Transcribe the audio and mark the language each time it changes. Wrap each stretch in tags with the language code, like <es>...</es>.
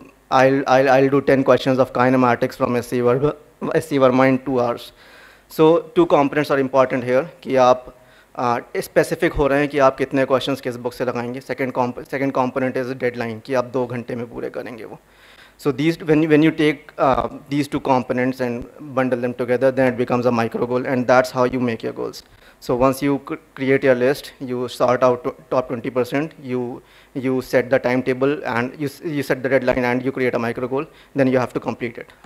<en>I'll do 10 questions of kinematics from SC Verma in 2 hours. So two components are important here.</en> <hi>कि आप specific हो रहे हैं कि आप कितने क्वेश्चन किस बुक से लगाएंगे.</hi> <en>second component is deadline,</en> <hi>कि आप 2 घंटे में पूरे करेंगे वो.</hi> <en>So when you take these two components and bundle them together, then it becomes a micro goal, and that's how you make your goals. So once you create your list, you sort out top 20%, you set the timetable and you set the deadline and you create a micro goal, then you have to complete it.</en>